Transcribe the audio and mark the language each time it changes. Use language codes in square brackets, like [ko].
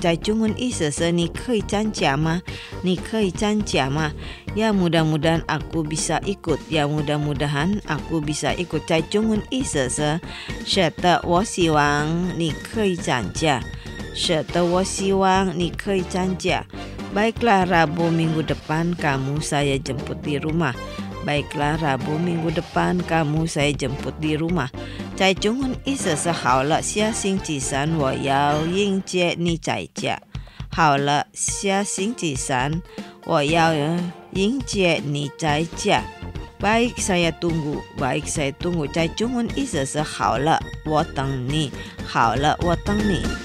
[zh] 在中文意思是你可以参加吗？你可以参加吗？ [id] Ya mudah-mudahan aku bisa ikut. Ya mudah-mudahan aku bisa ikut. [zh] 在中文意思是是的，我希望你可以参加。是的，我希望你可以参加。 [id] Baiklah, Rabu minggu depan kamu saya jemput di rumah. Baiklah, Rabu minggu depan kamu saya jemput di rumah. [zh] 在中文意思是好了，下星期三我要迎接你在家。好了，下星期三我要迎接你在家。 [id] Baik saya tunggu, baik saya tunggu. [zh] 在中文意思是好了，我等你。好了，我等你。